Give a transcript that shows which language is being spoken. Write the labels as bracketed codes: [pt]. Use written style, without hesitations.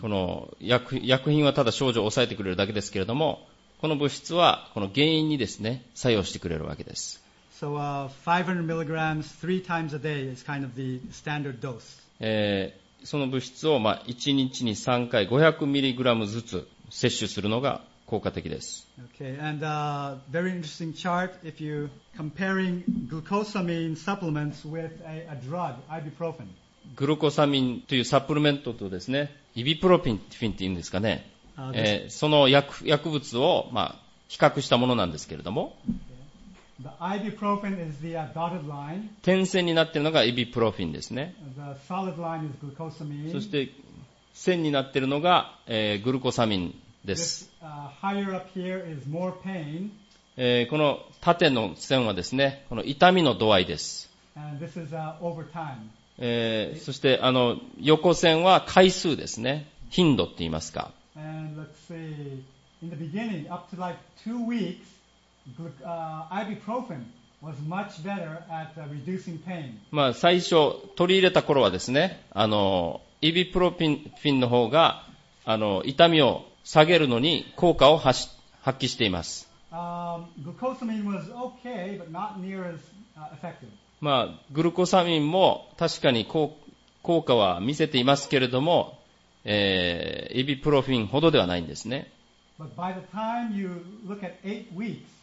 [ja] この 薬品はただ症状を抑えてくれるだけですけれども、この物質はこの原因にですね、作用してくれるわけです。 [en] So 500 milligrams three times a day is kind of the standard dose. [ja] その物質を、まあ、1日に3回500ミリグラムずつ摂取するのが効果的です。 [en] Okay. And, very interesting chart. If you comparing glucosamine supplements with a drug, ibuprofen. [ja] グルコサミンというサプリメントとですね、イビプロフィンっていうんですかね。その 薬物を、まあ、比較したものなんですけれども。 [en] The ibuprofen is the dotted line. [ja] 点線になっているのがイビプロフィンですね。 [en] The solid line is glucosamine. [ja] そして線になっているのが、グルコサミンです。 [en] Higher up here is more pain. [ja] この縦の線はですね、この痛みの度合いです。 [en] And this is, over time. [ja] そしてあの横線は回数ですね、頻度って言いますか。 [en] And let's see, in the beginning, up to like two weeks,ibuprofen was much better at reducing pain. [ja] まあ最初取り入れた頃はですね、あのイビプロフィンの方があの痛みを下げるのに効果を発揮しています。 [en] Glucosamine was okay, but not near as effective. [ja] まあグルコサミンも確かに効果は見せていますけれども、イビプロフィンほどではないんですね。 [en] But by the time you look at eight weeks,